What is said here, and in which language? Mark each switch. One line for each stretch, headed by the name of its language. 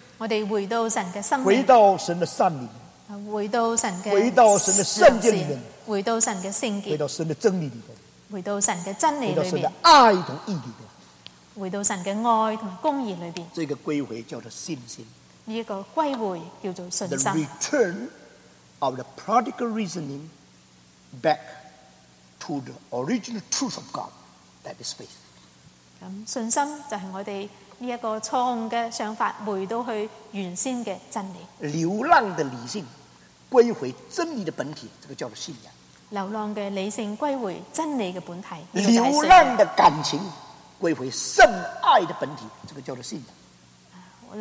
Chinese: 我们回到神的生命，回到神的善里面，回到神的，回到神的圣洁里面，回到神的圣洁，回到神的真理里面，回到神的真理里面，回到神的爱和义里面，回到神的爱和公义里面。这个归回叫做信心，这个归回叫做信心。
English: The return of the prodigal reasoning back to the original truth of God, that is faith.
Chinese: 信心就是我们这个错误的想法回到去原先的真理。流浪的理性归回真理的本体，这个叫做信仰。流浪的理性归回真理的本体，流浪的感情归回圣爱的本体，这个叫做信仰。